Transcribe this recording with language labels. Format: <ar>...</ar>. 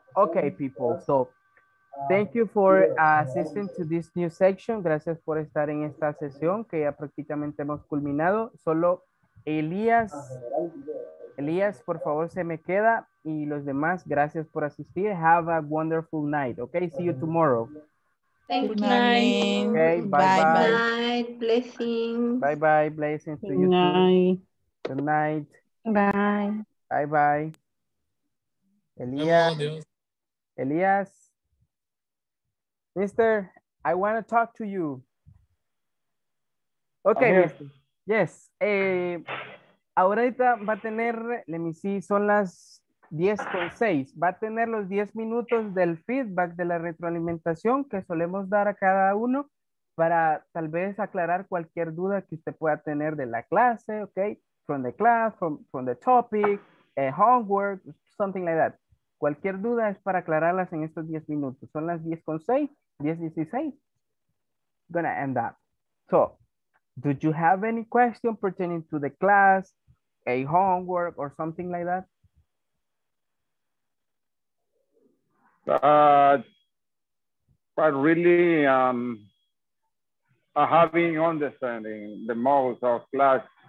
<en>Okay, people, so thank you for assisting to this new section.</en> <es>Gracias por estar en esta sesión que ya prácticamente hemos culminado. Solo Elías, por favor, se me queda. Y los demás, gracias por asistir.</es> <en>Have a wonderful night. Okay, see you tomorrow. Thank you. Good night. Okay, bye-bye. Good night. Blessings. Bye-bye. Blessings to you. Good night. Good night. Bye. Bye-bye. Elías. Elías. Mister, I want to talk to you. Okay, mister. Yes,</en> <es>ahorita va a tener,</es> <en>let me see,</en> <es>son las 10:06. Va a tener los 10 minutos del feedback de la retroalimentación que solemos dar a cada uno para tal vez aclarar cualquier duda que usted pueda tener de la clase, ¿ok?</es> <en>From the class, from the topic, homework, something like that.</en> <es>Cualquier duda es para aclararlas en estos 10 minutos. Son las 10:06, 10:16.</es> <en>Gonna end up. So, do you have any question pertaining to the class, a homework, or something like that? But really, having understanding the most of class.</en>